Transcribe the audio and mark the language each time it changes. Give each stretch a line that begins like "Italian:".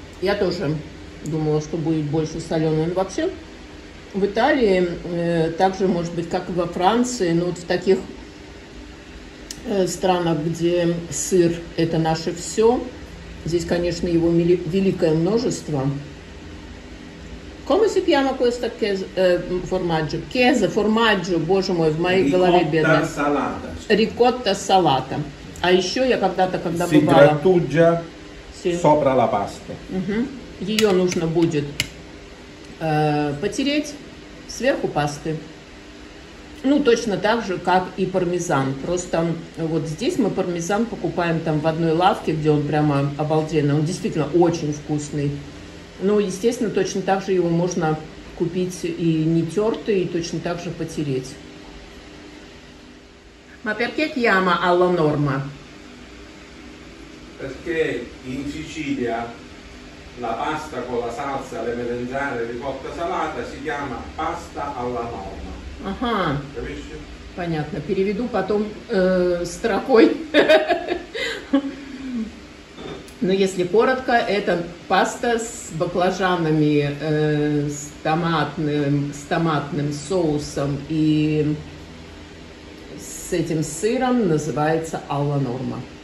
Russian: Я тоже думала, что будет больше соленая. Но вообще в Италии, так же, может быть, как и во Франции, но вот в таких странах, где сыр – это наше все, здесь, конечно, его великое множество.
Italian: Come si chiama questo formaggio? Chiesa, formaggio,
Russian: боже мой, в моей голове бедно.
Italian: Ricotta salata. Ricotta salata.
Russian: А еще я когда-то, когда
Italian: si
Russian: бывала...
Italian: Si grattugia sopra la pasta.
Russian: Ее нужно будет потереть сверху пасты. Ну, точно так же, как и пармезан. Просто вот здесь мы пармезан покупаем там в одной лавке, где он прямо обалденный. Он действительно очень вкусный. Ну, естественно, точно так же его можно купить и не тертый, и точно так же потереть.
Italian: Ma perché chiama alla norma? Perché in Sicilia la pasta con la salsa, le melanzane, la ricotta salata si chiama pasta alla norma.
Russian: Ага.
Italian: Capisci?
Russian: Понятно. Переведу потом строкой. Но если коротко, это паста с баклажанами, с томатным соусом и с этим сыром называется alla norma.